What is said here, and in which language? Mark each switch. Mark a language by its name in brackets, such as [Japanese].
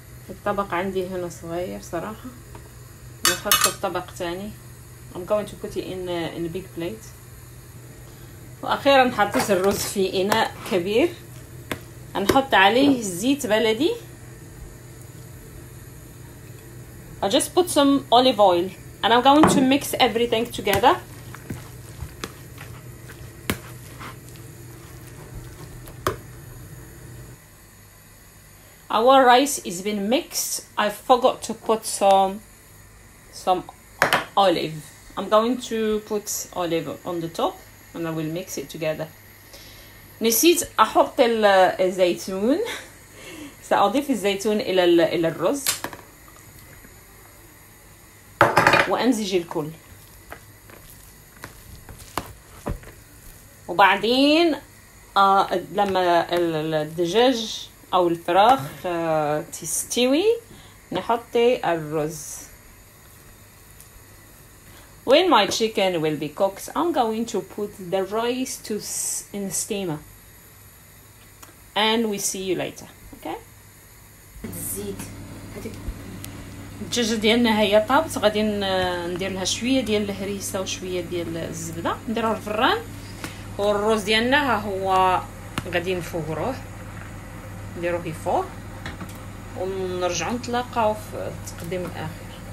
[Arabic] الطبق عندي هنا صغير صراحة. نحط الطبق تاني. [English] I'm going to put it in a big plate. [Arabic] وأخيرا حطيت الرز في إناء كبير. هنحط عليه زيت بلدي. [English] I just put some olive oil and I'm going to mix everything together. Our rice is been mixed. I forgot to put some olive. I'm going to put olive on the top and I will mix it together. [Arabic] نسيت احط الزيتون. سأضيف الزيتون الى الرز وامزج الكل. وبعدين لما الدجاج او الفراخ تستوي نحط الرز. [English] When my chicken will be cooked, I'm going to put the rice to in the steamer. And we see you later, okay? [Arabic] الزيت الدجاجة ديالنا هي طابت، غادي ندير لها شوية ديال الهريسة وشوية ديال الزبدة، نديرها الفران. والرز ديالنا ها هو غادي نفوروه، نديروه يفور ونرجعو نتلاقاو في التقديم الاخير.